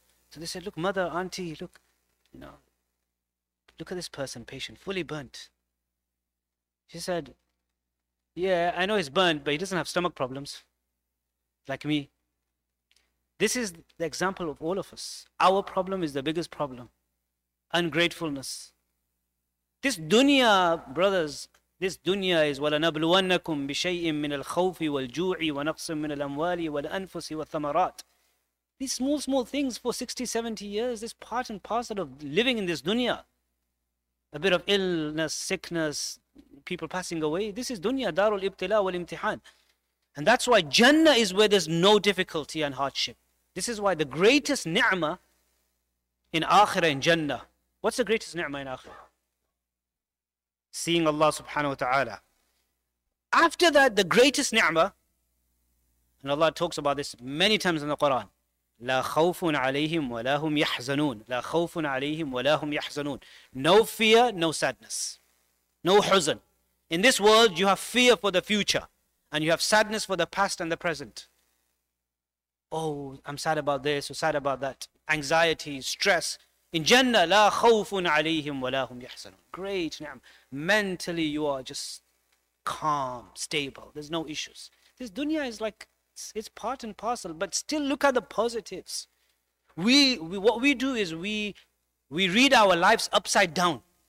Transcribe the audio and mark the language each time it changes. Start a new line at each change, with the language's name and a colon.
English: So they said, look, mother, auntie, look, you know, look at this person, patient, fully burnt. She said, yeah, I know he's burnt, but he doesn't have stomach problems like me. This is the example of all of us. Our problem is the biggest problem. Ungratefulness. This dunya, brothers, this dunya is
Arabic: وَلَنَبْلُوَنَّكُمْ بِشَيْءٍ مِّنَ الْخَوْفِ وَالْجُوعِ وَنَقْصٍ مِّنَ الْأَمْوَالِ وَالْأَنفُسِ وَالثَّمَرَاتِ.
English: These small, small things for 60, 70 years, this part and parcel of living in this dunya. A bit of illness, sickness, people passing away. This is dunya,
Arabic: darul ibtila wal imtihan.
English: And that's why Jannah is where there's no difficulty and hardship. This is why the greatest ni'mah in Akhirah, in Jannah. What's the greatest ni'mah in Akhirah? Seeing Allah subhanahu wa ta'ala. After that, the greatest ni'mah, and Allah talks about this many times in the Quran,
Arabic: لا خوف عليهم ولا هم يحزنون. لا خوف عليهم ولا هم يحزنون.
English: No fear, no sadness. No huzn. In this world, you have fear for the future and you have sadness for the past and the present. Oh, I'm sad about this or sad about that. Anxiety, stress. In Jannah,
Arabic: لا خوف عليهم ولا هم يحزنون.
English: Great, ni'am. Mentally, you are just calm, stable. There's no issues. This dunya is like, it's part and parcel, but still look at the positives. What we do is we read our lives upside down.